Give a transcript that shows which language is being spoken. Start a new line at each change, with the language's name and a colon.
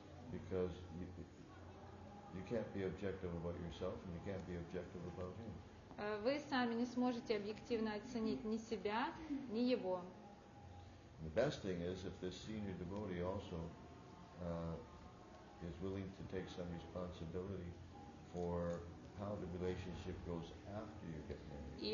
English: Because you can't be objective about yourself and you can't be objective about him.
Russian: Вы сами не сможете объективно оценить ни себя, ни его.
English: The best thing is if this senior devotee also is willing to take some responsibility for how the relationship goes after you get married.